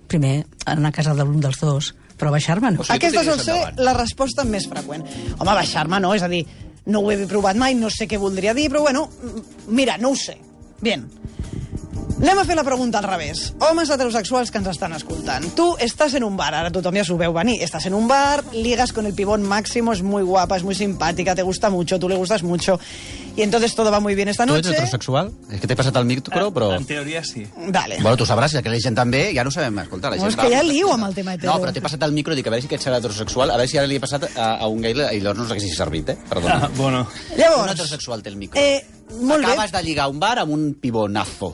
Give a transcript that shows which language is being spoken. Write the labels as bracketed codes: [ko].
[ca] Primer, anar a casa de l'un dels dos, però baixar-me no. O sigui, aquesta sol ser la resposta més freqüent. Home, baixar-me no, és a dir, no ho he provat mai, no sé què voldria dir, però bueno, mira, no ho sé. [es] Bien. [ca] Anem a fer la pregunta al revés. Homes heterosexuals que ens estan escoltant. Tu estàs en un bar, ara tothom ja s'ho veu venir. Estàs [es] en un bar, ligas con el pibón máximo, és muy guapa, és muy simpática, te gusta mucho, tu le gustas mucho. Y entonces todo va muy bien esta noche. [ca] Tu ets heterosexual? És que t'he passat el micro, però... En teoria sí. [es] Dale. [ca] Bueno, tu sabràs, ja que la gent també, ja no sabem escoltar. No, és que ja liu amb el tema hetero. No, però t'he passat el micro, dic, a veure si aquest serà heterosexual, a veure si ara li he passat a un gay, i llavors no sé si servit, Perdona. Ah, bueno. Llavors, un heterosexual té el micro. Molt acabes bé. De lligar un bar amb un pibonazo.